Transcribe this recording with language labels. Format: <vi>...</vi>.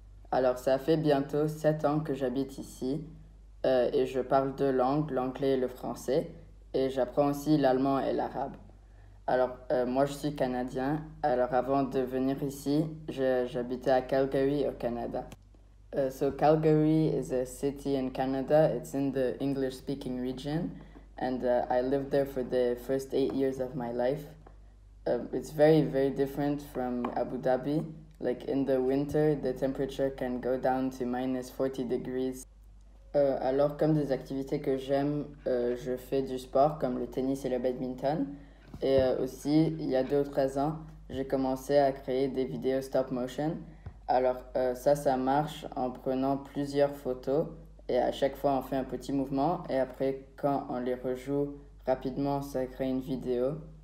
<fr>Alors, ça fait bientôt 7 ans que j'habite ici et je parle deux langues, l'anglais et le français, et j'apprends aussi l'allemand et l'arabe. Alors, moi je suis canadien, alors avant de venir ici, j'habitais à Calgary au Canada.</fr> <en>So, Calgary is a city in Canada, it's in the English-speaking region. And I lived there for the first 8 years of my life. It's very, very different from Abu Dhabi. Like in the winter, the temperature can go down to minus 40 degrees.</en> <fr>Alors, comme des activités que j'aime, je fais du sport comme le tennis et le badminton. Et aussi, il y a 2 ou 3 ans, j'ai commencé à créer des vidéos stop motion. Alors, ça marche en prenant plusieurs photos. Et à chaque fois, on fait un petit mouvement et après, quand on les rejoue rapidement, ça crée une vidéo.</fr>